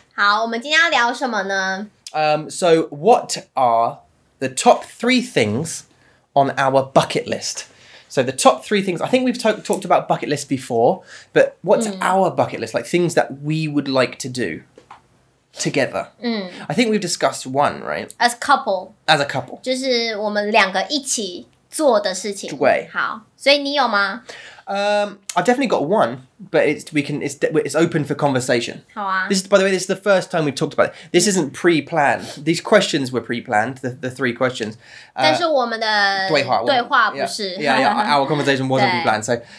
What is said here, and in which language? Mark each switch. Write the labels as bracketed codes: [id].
[zh] 好，我们今天要聊什么呢？ [en] So what are the top three things on our bucket list? So the top three things, I think we've talked about bucket lists before, but what's our bucket list? Like things that we would like to do together. I think we've discussed one, right? As a couple. [zh] 就是我们两个一起做的事情。对。好。所以你有吗？ [en] I've definitely got one, but it's open for conversation. [zh] 好啊。 [en] This is the first time we've talked about it. This isn't pre-planned. These questions were pre-planned, the three questions. [zh] 但是我们的对话对话不是。 [en] Yeah, our conversation wasn't pre-planned. So,